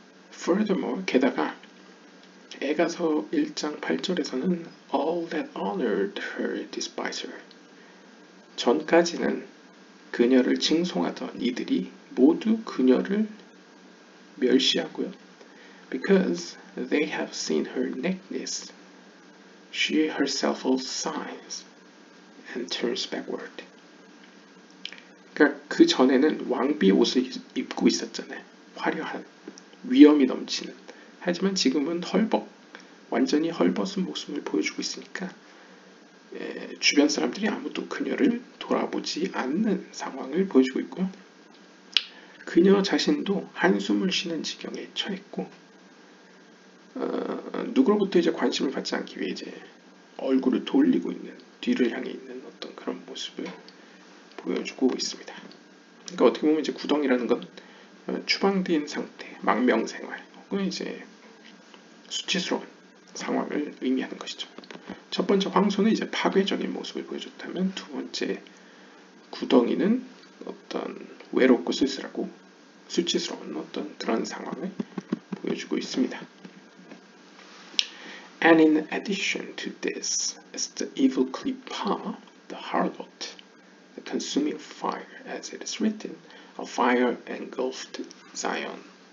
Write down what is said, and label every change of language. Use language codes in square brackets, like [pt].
[en] furthermore, [ko] 게다가 애가서 1장 8절에서는 [en] All that honored her despise her. [ko] 전까지는 그녀를 칭송하던 이들이 모두 그녀를 멸시하고요. [en] Because they have seen her nakedness, she herself sighs and turns backward. [ko] 그러니까 그 전에는 왕비 옷을 입고 있었잖아요. 화려한, 위엄이 넘치는. 하지만 지금은 헐벗, 완전히 헐벗은 모습을 보여주고 있으니까 주변 사람들이 아무도 그녀를 돌아보지 않는 상황을 보여주고 있고요. 그녀 자신도 한숨을 쉬는 지경에 처했고, 누구로부터 이제 관심을 받지 않기 위해 이제 얼굴을 돌리고 있는, 뒤를 향해 있는 어떤 그런 모습을 보여주고 있습니다. 그러니까 어떻게 보면 이제 구덩이라는 건 추방된 상태, 망명 생활, 혹은 이제 수치스러운 상황을 의미하는 것이죠. 첫 번째 황소는 이제 파괴적인 모습을 보여줬다면, 두 번째 구덩이는 어떤 외롭고 쓸쓸하고 수치스러운 어떤 그런 상황을 보여주고 있습니다. [en] And in addition to this is the evil Clipper, the harlot, the consuming fire, as it is written, a fire engulfed Zion.